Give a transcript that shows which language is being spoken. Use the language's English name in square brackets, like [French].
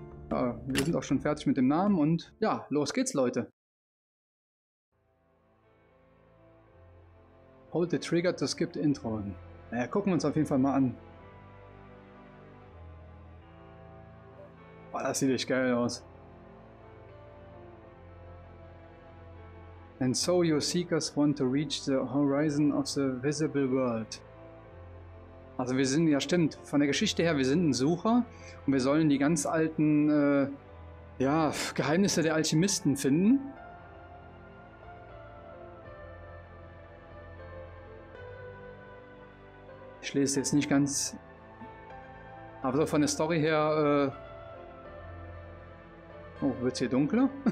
[German] Ja, wir sind auch schon fertig mit dem Namen und ja, los geht's, Leute. [English] Hold the trigger to skip the intro. [German] Naja, gucken wir uns auf jeden Fall mal an. Boah, das sieht echt geil aus. [English] And so your seekers want to reach the horizon of the visible world. [German] Also wir sind, ja stimmt, von der Geschichte her, wir sind ein Sucher und wir sollen die ganz alten, ja, Geheimnisse der Alchemisten finden. Ich lese jetzt nicht ganz, aber so von der Story her, oh, wird's hier dunkler?